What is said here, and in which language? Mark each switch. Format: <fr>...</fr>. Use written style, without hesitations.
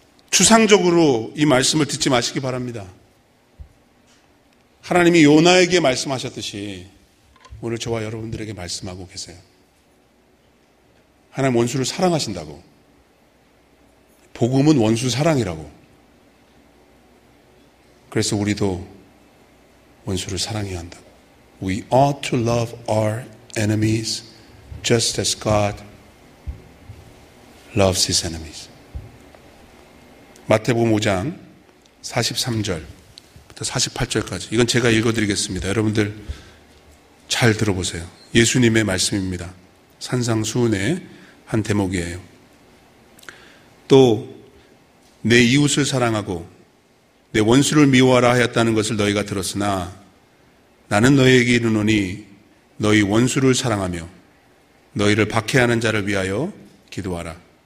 <ko>추상적으로 이 말씀을 듣지 마시기 바랍니다. 하나님이 요나에게 말씀하셨듯이 오늘 저와 여러분들에게 말씀하고 계세요. 하나님 원수를 사랑하신다고. 복음은 원수 사랑이라고. 그래서 우리도 원수를 사랑해야 한다고.</ko> <en>We ought to love our enemies just as God loves his enemies.</en> <ko>마태복음 5장 43절 48절까지 이건 제가 읽어드리겠습니다. 여러분들 잘 들어보세요. 예수님의 말씀입니다. 산상수훈의 한 대목이에요. 또 내 이웃을 사랑하고 내 원수를 미워하라 하였다는 것을 너희가 들었으나 나는 너희에게 이르노니 너희 원수를 사랑하며 너희를 박해하는 자를 위하여 기도하라.</ko>